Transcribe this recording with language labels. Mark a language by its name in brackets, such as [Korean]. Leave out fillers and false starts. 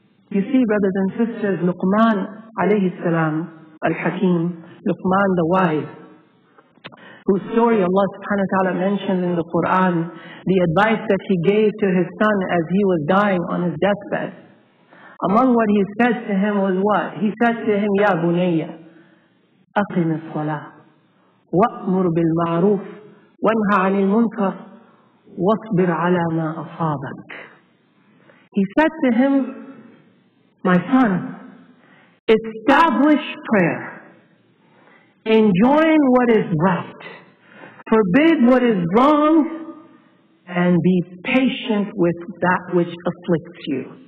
[English] You see, brothers and sisters, Luqman alayhi salam, al-Hakim, Luqman the wise, whose story Allah subhanahu wa ta'ala mentions in the Quran, the advice that he gave to his son as he was dying on his deathbed. Among what he said to him was what? He said to him, [Arabic] Ya Bunayya, أقم الصلاة وأمر بالمعروف وانهى عن المنكر واصبر على ما أصابك. [English] He said to him, My son, establish prayer, enjoin what is right, forbid what is wrong, and be patient with that which afflicts you.